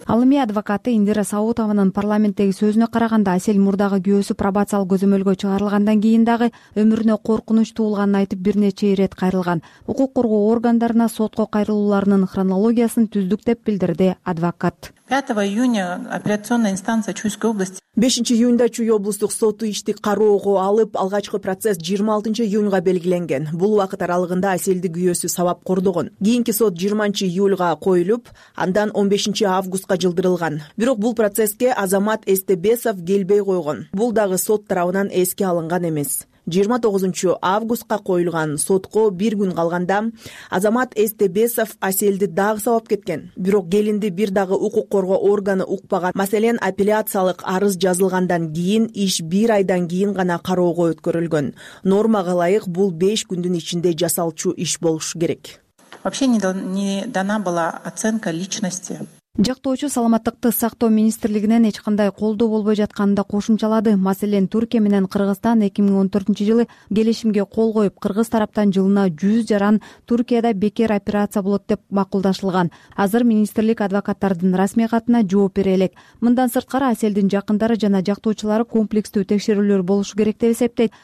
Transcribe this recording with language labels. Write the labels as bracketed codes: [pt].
[ky] Ал эми адвокаты Индира Саутованын парламенттеги сөзүнө караганда, Асель мурдагы күйөөсү пробациялык көзөмөлгө чыгарылгандан кийин дагы өмүрүнө коркунуч туулганын айтып, бир нече ирет кайрылган. Укук коргоо органдарына сотко кайрылуулардын хронологиясын түздүк деп билдирди адвокат. [ru] 5 июня апелляционная инстанция Чуйской области. [ky] 5 июнда Чуй облустук соту ишти кароого алып, алгачкы процесс 26 июнга белгиленген. Бул убакыт аралыгында Аселди күйөөсү сабап кордогон. Кийинки сот 20 июлга коюлуп, андан 15 августка жылдырылган. Бирок бул процесске Азамат Эстебесов келбей койгон. Бул дагы сот тарабынан эске алынган эмес. 29 августка коюлган сотко бир күн калганда Азамат Эстебесов Аселди дагы сабап кеткен. Бирок келинди бир дагы укук коргоо органы укпаган. Маселен, апелляциялык арыз жазылгандан кийин иш бир айдан кийин гана кароого өткөрүлгөн. Нормага ылайык бул 5 күндүн ичинде жасалчу иш болушу керек. [ru] Вообще не дана была оценка личности. [ky] Жактоочу саламаттыкты сактоо министрлигинен эч кандай колдоо болбой жатканын да кошумчалады. Маселен, Түркия менен Кыргызстан 2014 жылы келишимге кол коюп, кыргыз тараптан жылына 100 жаран Түркияда бекер операция болот деп макулдашылган. Азыр министрлик адвокаттардын расмий катына жооп бере элек. Мындан сырткары Аселдин жакындары жана жактоочулары комплекстүү текшерүүлөр болушу керек деп эсептейт.